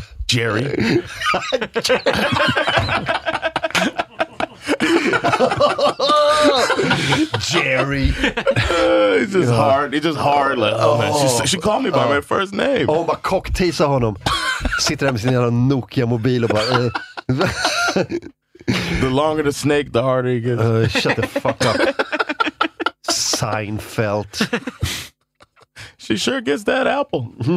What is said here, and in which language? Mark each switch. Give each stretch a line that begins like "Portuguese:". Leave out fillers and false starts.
English: Jerry. Jerry. He's just hard. He's just hard. Like, oh, man. She called me by my first name.
Swedish: Oh, bara cocktisa honom. Sitter där med sin jävla Nokia-mobil och bara...
English: The longer the snake, the harder he gets. Shut the fuck up. Seinfeld. She sure gets that apple.